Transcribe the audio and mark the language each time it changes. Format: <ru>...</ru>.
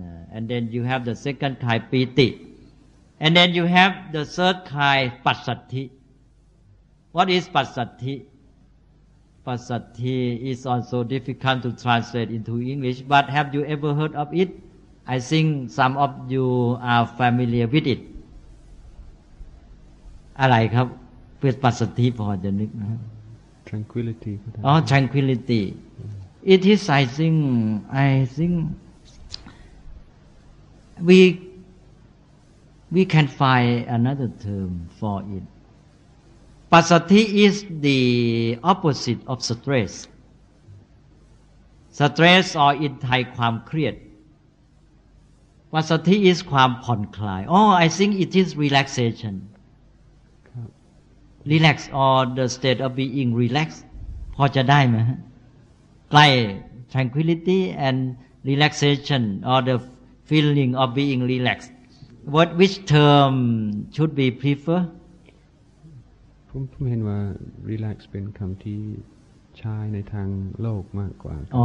<en>And then you have the second kind piti. And then you have the third kind pasatthi. What is pasatthi? Pasatthi is also difficult to translate into English, but have you ever heard of it? I think some of you are familiar with it.</en> <th>อะไรครับเป็นปัสสัทธิพอจะนึกนะ</th> <en>tranquility อ๋อ tranquility it is I think we can find another term for it. ปัสสัทธิ is the opposite of stress or in Thai ความเครียดPasati is</en> <th>ความผ่อนคลาย</th> <en>Oh, I think it is relaxation. Relax or the state of being relaxed.</en> <th>พอจะได้ไหม?</th> <en>Like tranquility and relaxation or the feeling of being relaxed, what which term should we prefer?</en> <th>ผมเห็นว่า relax เป็นคำที่ใช้ในทางโลกมากกว่า</th>